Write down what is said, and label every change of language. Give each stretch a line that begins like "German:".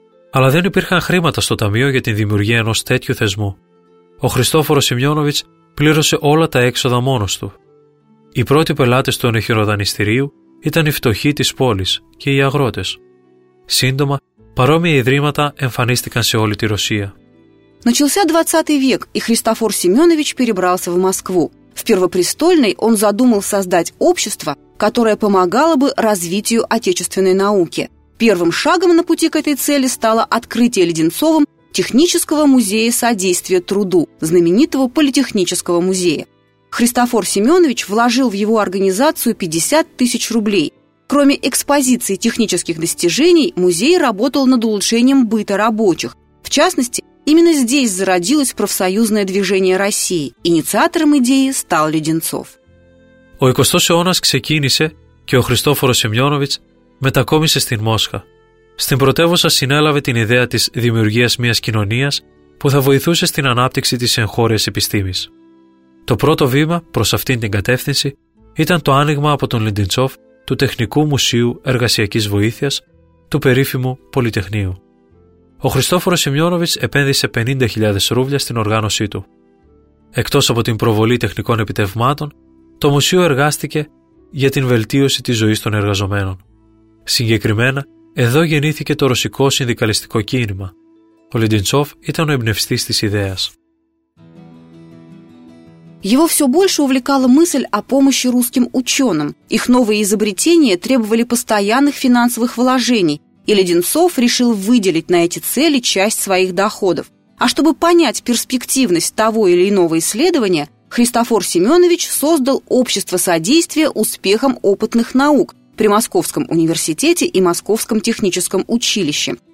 Greek: Αλλά δεν υπήρχαν χρήματα στο ταμείο για τη δημιουργία ενός τέτοιου θεσμού. Ο Χριστόφορος Σημειώνοβιτς πλήρωσε όλα τα έξοδα μόνος του. Οι πρώτοι πελάτες του ενεχειροδανειστηρίου ήταν οι φτωχοί της πόλης και οι αγρότες. Σύντομα, παρόμοια ιδρύματα εμφανίστηκαν σε όλη τη Ρωσία.
Russian: Начался 20 век, и Христофор Семенович перебрался в Москву. В Первопрестольной он задумал создать общество, которое помогало бы развитию отечественной науки. Первым шагом на пути к этой цели стало открытие Леденцовым Технического музея содействия труду, знаменитого политехнического музея. Христофор Семенович вложил в его организацию 50 тысяч рублей. Кроме экспозиции технических достижений, музей работал над улучшением быта рабочих. В частности, именно здесь зародилось профсоюзное движение России. Инициатором идеи стал Леденцов.
Greek: Ο 20ος αιώνας ξεκίνησε και ο Χριστόφορος Σημειώνοβιτς μετακόμισε στην Μόσχα. Στην πρωτεύουσα συνέλαβε την ιδέα της δημιουργίας μιας κοινωνίας που θα βοηθούσε στην ανάπτυξη της εγχώριας επιστήμης. Το πρώτο βήμα προς αυτήν την κατεύθυνση ήταν το άνοιγμα από τον Λιντινσόφ του Τεχνικού Μουσείου Εργασιακής Βοήθειας του περίφημου Πολυτεχνείου. Ο Χριστόφορος Σημειώνοβιτς επένδυσε 50.000 ρούβλια στην οργάνωσή του. Εκτός από την προβολή τεχνικών επιτευγμάτων, το μουσείο εργάστηκε για την βελτίωση της ζωής των εργαζομένων. Συγκεκριμένα, εδώ γεννήθηκε το ρωσικό συνδικαλιστικό κίνημα. Ο Λιντινσόφ ήταν ο εμπνευστής της ιδέας.
Russian: Его все больше увлекала мысль о помощи русским ученым. Их новые изобретения требовали постоянных финансовых вложений, и Леденцов решил выделить на эти цели часть своих доходов. А чтобы понять перспективность того или иного исследования, Христофор Семенович создал Общество содействия успехам опытных наук при Московском университете и Московском техническом училище.